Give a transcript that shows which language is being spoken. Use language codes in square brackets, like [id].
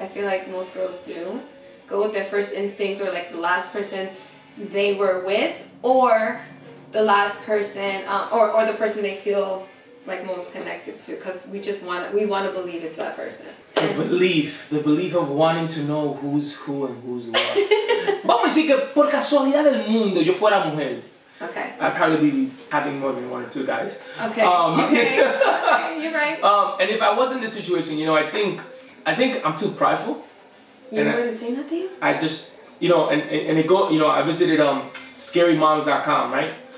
[en] I feel like most girls do go with their first instinct, or like the last person they were with, or the last person, or the person they feel like most connected to, because we want to believe it's that person. The belief of wanting to know who's who and who's what. [es] Vamos a decir que por casualidad del mundo yo fuera mujer. [en] Okay. I'd probably be having more than one or two guys. Okay. Okay, you're right. And if I was in this situation, you know, I think I'm too prideful. You wouldn't say nothing? I just, you know, and it go, you know, I visited scarymoms.com, right?